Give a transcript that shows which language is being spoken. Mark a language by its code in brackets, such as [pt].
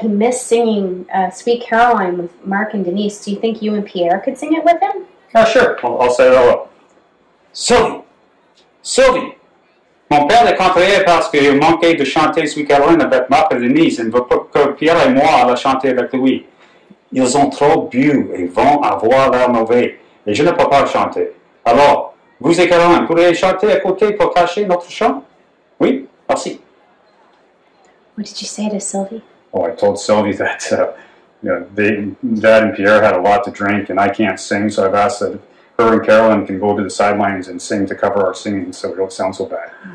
[en] He missed singing Sweet Caroline with Mark and Denise. Do you think you and Pierre could sing it with him? Oh, sure. I'll say it all up. Sylvie! [fr] Mon père est contrarié parce qu'il manquait de chanter Sweet Caroline avec Mark et Denise et veut que Pierre et moi la chanter avec lui. Ils ont trop bu et vont avoir l'air mauvais. Et je ne peux pas chanter. Alors, vous et Caroline, pourriez chanter à côté pour cacher notre chant? Oui, merci. [en] What did you say to Sylvie? Oh, I told Sylvie that Dad and Pierre had a lot to drink and I can't sing, so I've asked that her and Caroline can go to the sidelines and sing to cover our singing so we don't sound so bad.